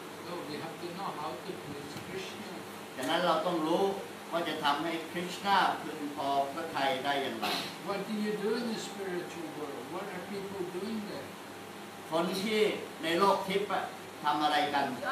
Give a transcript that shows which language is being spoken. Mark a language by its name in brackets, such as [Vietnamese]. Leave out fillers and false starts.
[English] So we have to know how to please Krishna [Thai] ฉะนั้นเราต้องรู้ว่าจะทำให้คริชนาพึงพอพระทัยได้อย่างไร [English] What do you do in the spiritual world? What are people doing there? [Thai] คนที่ในโลกทิพย์อะ ทำอะไรกัน